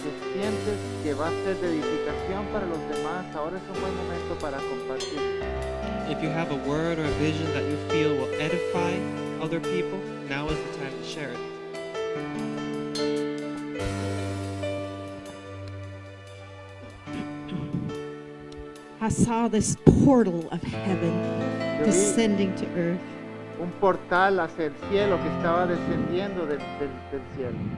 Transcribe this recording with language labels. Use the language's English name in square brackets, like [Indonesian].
[Spanish] que sientes que va a ser de edificación para los demás, ahora es un buen momento para compartir. [English] If you have a word or a vision that you feel will edify other people, now is the time to share it. I saw this portal of heaven descending to earth. [Spanish] Un portal hacia el cielo que estaba descendiendo del cielo.